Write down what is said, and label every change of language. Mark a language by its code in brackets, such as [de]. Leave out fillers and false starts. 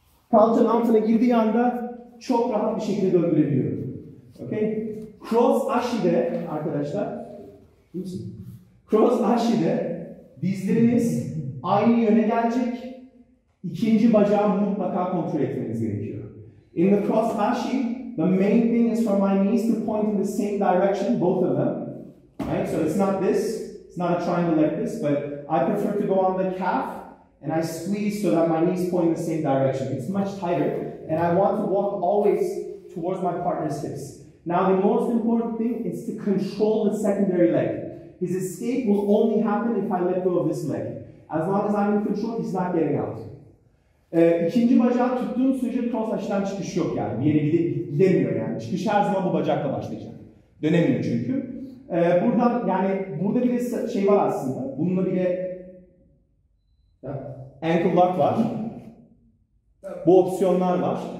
[tr] Kalçanın altına girdiği anda çok rahat bir şekilde döndürebiliyorum. Okay? Cross Ashi'de arkadaşlar, Cross Ashi'de dizleriniz aynı yöne gelecek. İkinci bacağı mutlaka kontrol etmeniz gerekiyor. [en] In the cross ashi, the main thing is for my knees to point in the same direction, both of them. Right? So it's not this, it's not a triangle like this, but I prefer to go on the calf and I squeeze so that my knees point in the same direction. It's much tighter and I want to walk always towards my partner's hips. Now the most important thing is to control the secondary leg. His escape will only happen if I let go of this leg. As long as I'm in control, he's not getting out. [tr] İkinci bacağı tuttuğum sürece cross aşıdan çıkış yok yani. Bir yere gidemiyor yani. Çıkış her zaman bu bacakla başlayacak. Dönemiyor çünkü. Buradan yani burada bile şey var aslında. Bununla bile ankle lock var. Bu opsiyonlar var.